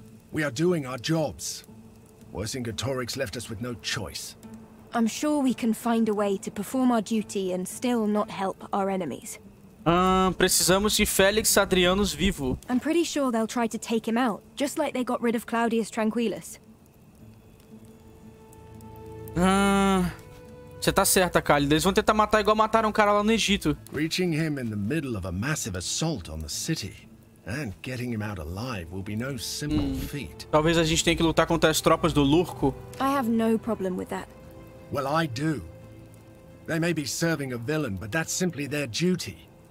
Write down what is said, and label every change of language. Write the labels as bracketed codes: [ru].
[en] We are doing our jobs. Worsing Gatorix left us with no choice. I'm sure we can find a way to perform our duty and still not help our enemies. [pt] Precisamos de Félix Adrianus vivo. [en] I'm pretty sure they'll try to take him out, just like they got rid of Claudius Tranquillus. [pt] Você tá certa, Cálida. Eles vão tentar matar igual mataram o cara lá no Egito. [en] Reaching him in the middle of a massive assault on the city and getting him out alive will be no simple feat. [pt] Talvez a gente tenha que lutar contra as tropas do Lurco. [en] I have no problem with that. Well, I do. They may be serving a villain, but that's simply their duty.